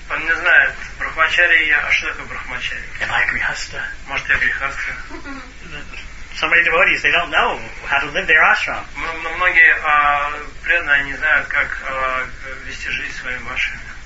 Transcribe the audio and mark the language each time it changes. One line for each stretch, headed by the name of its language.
Russian: Он не знает, брахмачари я, а что такое брахмачари?
English: Am I a grihastha?
Russian: Может, я грихастха?
English: So many devotees, they don't know how to live their ashram.
Russian: Многие преданные не знают, как вести жизнь своим ашрам.